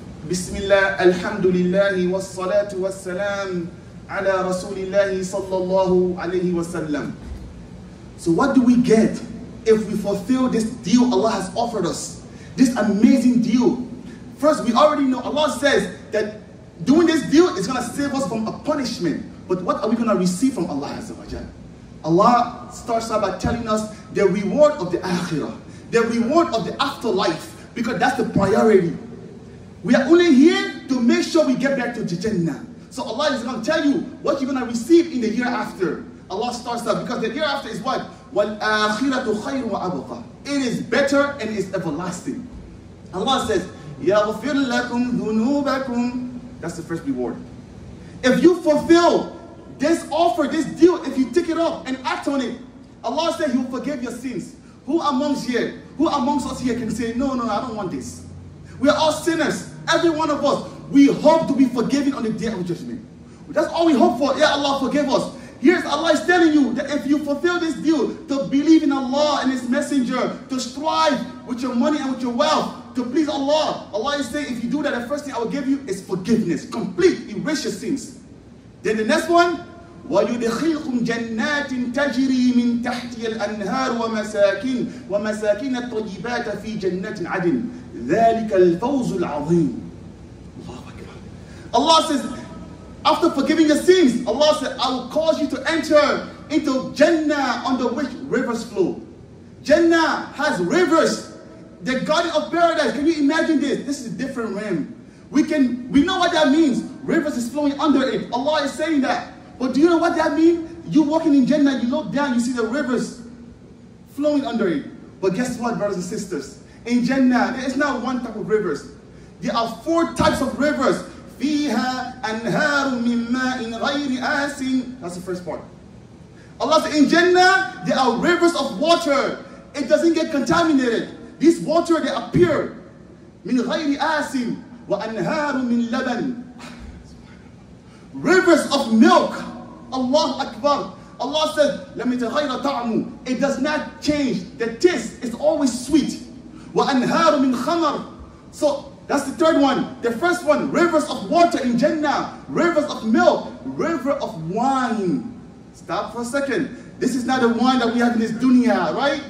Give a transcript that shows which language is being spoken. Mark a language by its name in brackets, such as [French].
[Arabic] بسم الله الحمد لله والصلاة والسلام على رسول الله صلى الله عليه وسلم. [English] So what do we get if we fulfill this deal Allah has offered us? This amazing deal. First, we already know Allah says that doing this deal is going to save us from a punishment. But what are we going to receive from Allah Azza wa Jal? Allah starts out by telling us the reward of the akhirah, the reward of the afterlife, because that's the priority. We are only here to make sure we get back to Jannah. So Allah is going to tell you what you're going to receive in the year after. Allah starts up because the year after is what? [Arabic] وَالْآخِرَةُ خَيْرٌ وَأَبْقَى. [English] It is better and it's everlasting. Allah says, [Arabic] يَغْفِرْ لَكُمْ ذُنُوبَكُمْ. [English] That's the first reward. If you fulfill this offer, this deal, if you take it up and act on it, Allah says He will forgive your sins. Who amongst us here can say, no, I don't want this. We are all sinners. Every one of us, we hope to be forgiven on the day of judgment. That's all we hope for. Yeah, Allah, forgive us. Here's Allah is telling you that if you fulfill this deal, to believe in Allah and His Messenger, to strive with your money and with your wealth, to please Allah, Allah is saying, if you do that, the first thing I will give you is forgiveness. Complete. Erase your sins. Then the next one, [Arabic] وَيُدْخِلْكُمْ جَنَّاتٍ تَجْرِي مِنْ تَحْتِيَ الْأَنْهَارُ وَمَسَاكِنَ الطَّيِّبَاتَ فِي جَنَّاتٍ عَدٍ. ذَلِكَ الْفَوْزُ الْعَظِيمُ. Allahu Akbar. [English] Allah says, after forgiving your sins, Allah said, I will cause you to enter into Jannah under which rivers flow. Jannah has rivers. The Garden of Paradise, can you imagine this? This is a different realm. We know what that means. Rivers is flowing under it. Allah is saying that. But do you know what that means? You're walking in Jannah, you look down, you see the rivers flowing under it. But guess what, brothers and sisters? In Jannah, there is not one type of rivers. There are four types of rivers. [Arabic] فيها أنهار من ماء غير آسٍ. [English] That's the first part. Allah said, in Jannah, there are rivers of water. It doesn't get contaminated. This water, they appear. [Arabic] من غير آسٍ وأنهار من لبن. [English] Rivers of milk. Allahu Akbar. Allah said, [Arabic] لم يتغير طعمه. [English] It does not change. The taste is always sweet. [Arabic] وأنهار من خمر. [English] So that's the third one. The first one, rivers of water in Jannah, rivers of milk, river of wine. Stop for a second. This is not the wine that we have in this dunya, right?